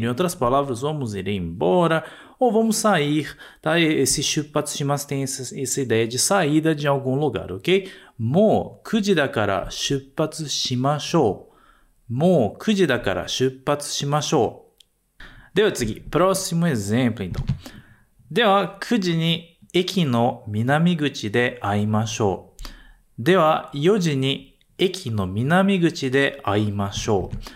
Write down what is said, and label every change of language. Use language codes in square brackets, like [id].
[pt] Em outras palavras, vamos ir embora ou vamos sair. Tá? Esse [ja] 出発します [pt] tem essa ideia de saída de algum lugar, ok? [ja] もう 9時 だから出発しましょう。もう 9時 だから出発しましょう。では次、 [pt] próximo exemplo, então. [ja] では9時に駅の南口で会いましょう。では4時に駅の南口で会いましょう。